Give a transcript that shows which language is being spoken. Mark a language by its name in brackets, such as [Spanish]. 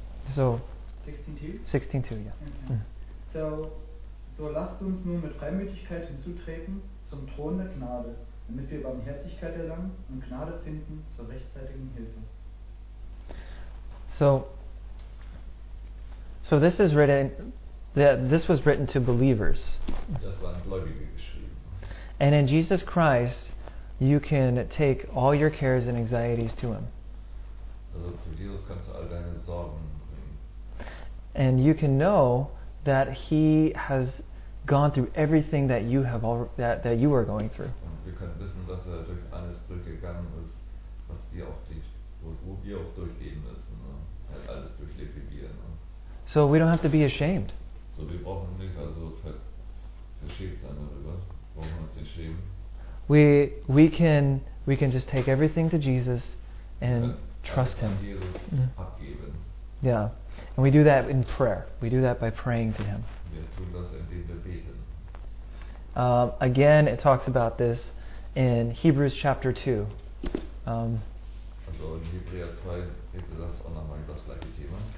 [German] So. 16.2, ja. [English] Yeah. Okay. [German] So lasst uns nun mit Freimütigkeit hinzutreten zum Thron der Gnade, damit wir Barmherzigkeit erlangen und Gnade finden zur rechtzeitigen Hilfe. [English] So this is written, this was written to believers. [German] Das waren Gläubige geschrieben. [English] And in Jesus Christ, you can take all your cares and anxieties to Him. [German] Also zu Jesus kannst du all deine Sorgen. [English] And you can know that He has gone through everything that you have that you are going through. [German] Und wir können wissen, dass er durch alles durchgegangen ist, was wir auch durch, wo wir auch durchleben müssen. Ne? Er hat alles durchlebt wie wir. Ne? [English] So we don't have to be ashamed. [German] So wir brauchen nicht also verschämt sein darüber. Brauchen wir uns nicht schämen. [English] We can just take everything to Jesus and trust Him. [German] Jesus abgeben. [English] Yeah. And we do that in prayer. We do that by praying to Him. [German] Wir tun das, indem wir beten. [English] Again, it talks about this in Hebrews chapter 2. [German] Also in Hebräer 2 geht es auch nochmal das gleiche Thema.